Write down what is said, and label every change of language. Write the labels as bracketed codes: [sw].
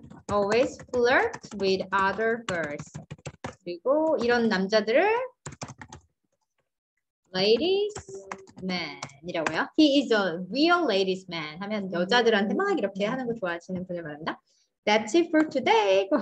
[en] Always flirt with other girls. [ko] 그리고 이런 남자들을 ladies man이라고요. [en] He is a real ladies man. [ko] 하면 여자들한테 막 이렇게 하는 거 좋아하시는 분을 말합니다. [en] That's it for today.